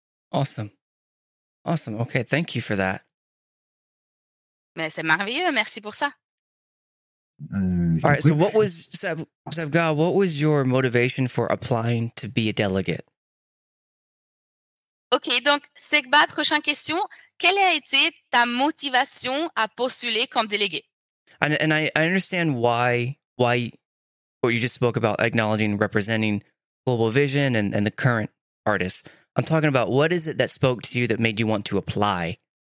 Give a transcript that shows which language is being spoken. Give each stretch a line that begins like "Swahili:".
English: Awesome. Awesome. Okay, thank you for that.
French: Mais c'est merveilleux. Merci pour ça.
English: All right, so what was, Sebga, what was your motivation for applying to be a delegate?
French: OK, donc, Sebga, prochaine question. Quelle a été ta motivation à postuler comme délégué?
English: And I understand why what you just spoke about, acknowledging and representing global vision and the current artists. I'm talking about, what is it that spoke to you that made you want to apply?